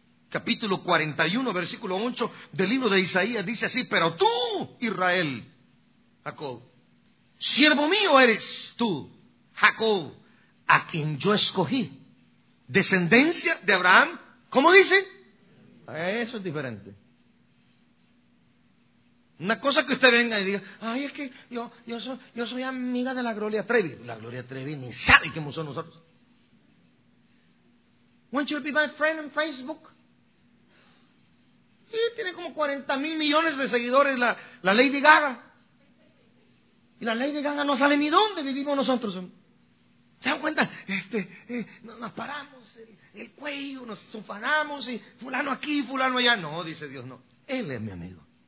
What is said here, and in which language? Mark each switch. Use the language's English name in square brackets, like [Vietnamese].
[Spanish] Capítulo 41, versículo 8 del libro de Isaías dice así, pero tú, Israel, Jacob, siervo mío eres tú, Jacob, a quien yo escogí. Descendencia de Abraham, ¿cómo dice? Eso es diferente. Una cosa que usted venga y diga, ay, es que yo soy amiga de la Gloria Trevi. La Gloria Trevi ni sabe quién somos nosotros. [English] Won't you be my friend on Facebook? [Spanish] Y tiene como 40 mil millones de seguidores la Lady Gaga. Y la Lady Gaga no sale ni dónde vivimos nosotros. ¿Se dan cuenta? Nos paramos el cuello, nos sofanamos y fulano aquí, fulano allá. No, dice Dios, no. Él es mi amigo.